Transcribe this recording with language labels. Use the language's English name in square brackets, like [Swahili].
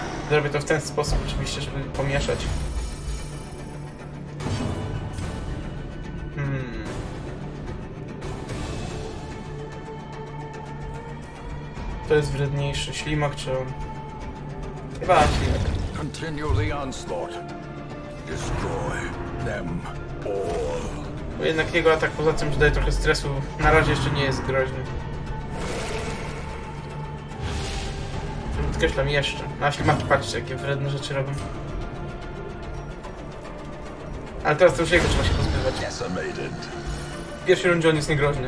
[Polish] Zrobię to w ten sposób oczywiście, żeby pomieszać. To jest wredniejszy, ślimak czy... Chyba ślimak. [English] Continue the onslaught. Destroy them all. [Polish] Bo jednak jego atak poza tym, że daje trochę stresu, na razie jeszcze nie jest groźny. Podkreślam jeszcze. Na ślimak, patrzcie, jakie wredne rzeczy robią. Ale teraz to już jego trzeba się pozbywać. W pierwszej rundzie on jest niegroźny.